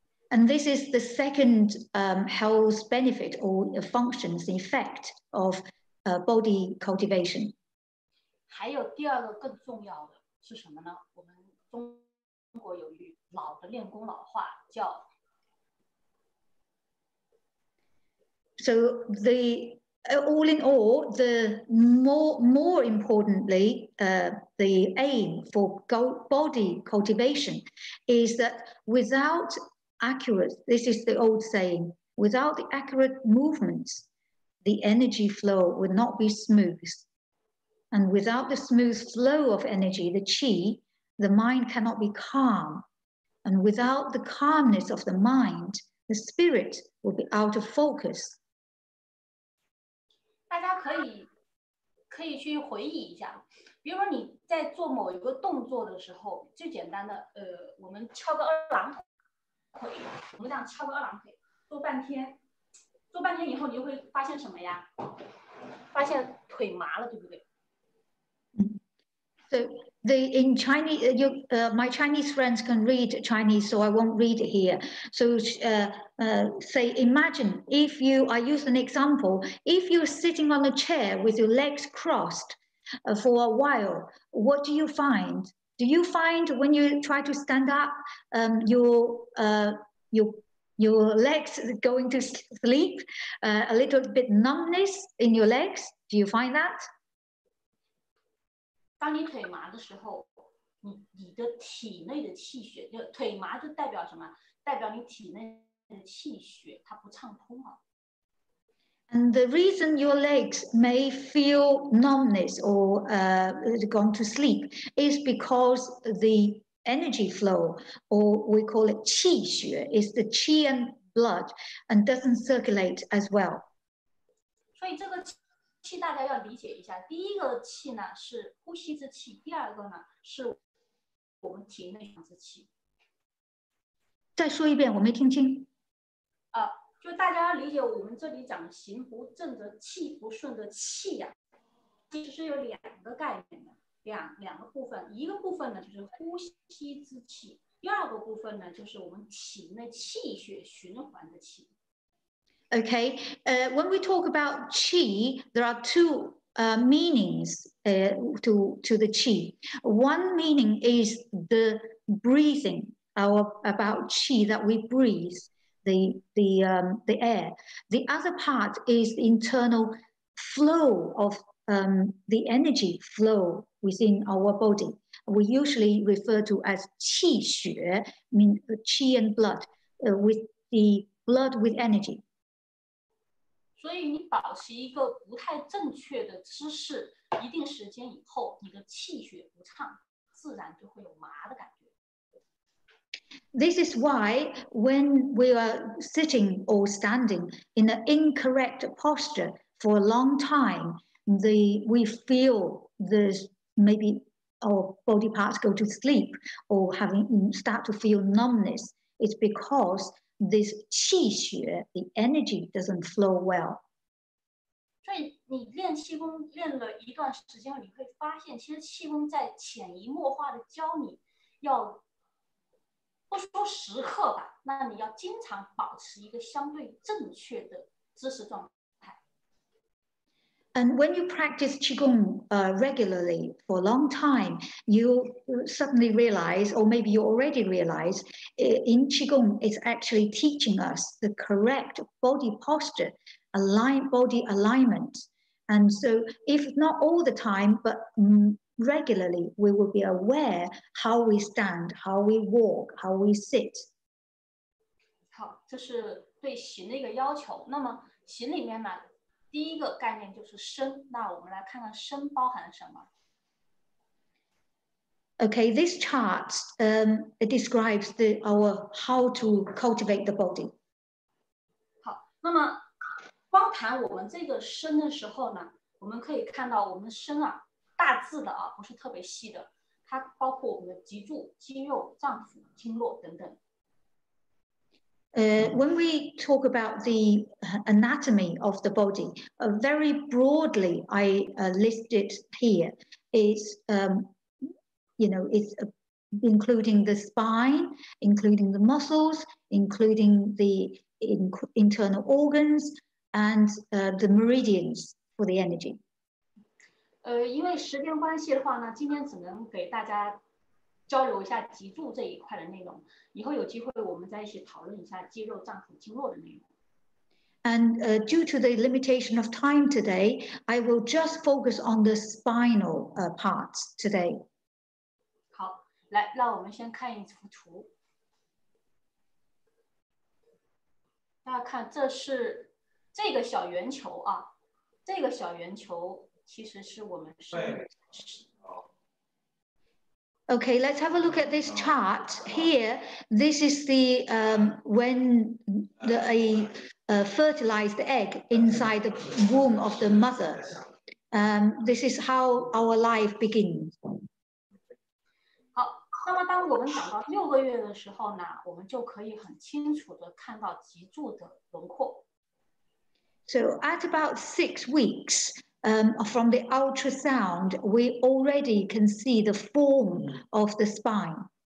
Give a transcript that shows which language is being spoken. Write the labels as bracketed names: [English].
[English] And this is the second health benefit or functions, the effect of body cultivation. [Chinese] 还有第二个更重要的是什么呢？我们中国有句老的练功老话叫 [English] So the all in all, the more importantly, the aim for body cultivation is that without accurate, this is the old saying, without the accurate movements, the energy flow would not be smooth. And without the smooth flow of energy, the qi, the mind cannot be calm. And without the calmness of the mind, the spirit will be out of focus. [Chinese] 大家可以去回忆一下，比如说你在做某一个动作的时候，最简单的，我们翘个二郎腿，我们这样翘个二郎腿，做半天以后，你就会发现什么呀？发现腿麻了，对不对？ [English] So in Chinese, my Chinese friends can read Chinese, so I won't read it here. So say, imagine if you, I use an example, if you're sitting on a chair with your legs crossed for a while, what do you find? Do you find when you try to stand up, your legs going to sleep, a little bit numbness in your legs? Do you find that? [Chinese] 当你腿麻的时候 你的体内的气血就腿麻就代表什么代表你体内的气血它不畅通了 [English] And the reason your legs may feel numbness or gone to sleep is because the energy flow or we call it 气血 is the 气 and blood and doesn't circulate as well [Chinese] 所以这个气大家要理解一下，第一个气呢是呼吸之气，第二个呢是我们体内养之气。再说一遍，我没听清。就大家要理解，我们这里讲行不正的气不顺的气呀、啊，其实是有两个概念的，两个部分，一个部分呢就是呼吸之气，第二个部分呢就是我们体内气血循环的气。 [English] Okay, when we talk about qi, there are two meanings to the qi. One meaning is the breathing, about qi that we breathe, the air. The other part is the internal flow of the energy flow within our body. We usually refer to as qi xue, mean qi and blood, with the blood with energy. [Chinese] 所以你保持一个不太正确的姿势，一定时间以后，你的气血不畅，自然就会有麻的感觉。 [English] This is why when we are sitting or standing in an incorrect posture for a long time, we feel there's maybe our body parts go to sleep or start to feel numbness. It's because. This 气血 the energy doesn't flow well. [Chinese] 所以你练气功练了一段时间，你会发现，其实气功在潜移默化的教你要，不说时刻吧，那你要经常保持一个相对正确的姿势状态。 [English] And when you practice qigong regularly for a long time, you suddenly realize, or maybe you already realize, in qigong, it's actually teaching us the correct body posture, body alignment. And so if not all the time, but regularly, we will be aware how we stand, how we walk, how we sit. [Chinese] 好，这是对行的一个要求。那么行里面呢，第一个概念就是身。那我们来看看身包含什么。 [English] Okay, this chart it describes the our how to cultivate the body. [Chinese] 好，那么光谈我们这个身的时候呢，我们可以看到我们身啊，大致的啊，不是特别细的，它包括我们的脊柱、肌肉、脏腑、经络等等。 [English] When we talk about the anatomy of the body, very broadly, I list it here. It's you know, it's including the spine, including the muscles, including the internal organs, and the meridians for the energy. [Chinese] 因为时间关系的话呢，今天只能给大家交流一下脊柱这一块的内容。以后有机会我们再一起讨论一下肌肉、脏腑、经络的内容。 [English] And due to the limitation of time today, I will just focus on the spinal parts today. [Chinese] 来，让我们先看一幅图。大家看，这是这个小圆球啊，这个小圆球其实是我们身。 [English] Okay, let's have a look at this chart here. This is the when the a fertilized egg inside the womb of the mother. This is how our life begins. [Chinese] 那么当我们长到六个月的时候呢，我们就可以很清楚地看到脊柱的轮廓。 [English] So at about 6 weeks, from the ultrasound, we already can see the form of the spine.